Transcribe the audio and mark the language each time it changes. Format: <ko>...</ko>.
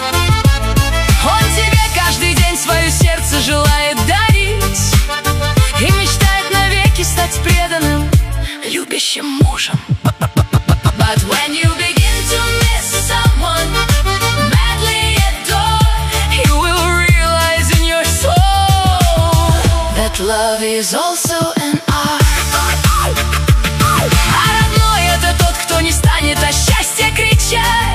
<ru>Он тебе каждый день свое сердце желает дарить и мечтает навеки стать преданным, любящим мужем.</ru> <en>But when you begin to miss someone madly at dawn, you will realize in your soul that love is also an art.</en> <ru>А родной — это тот, кто не станет о счастье кричать.</ru>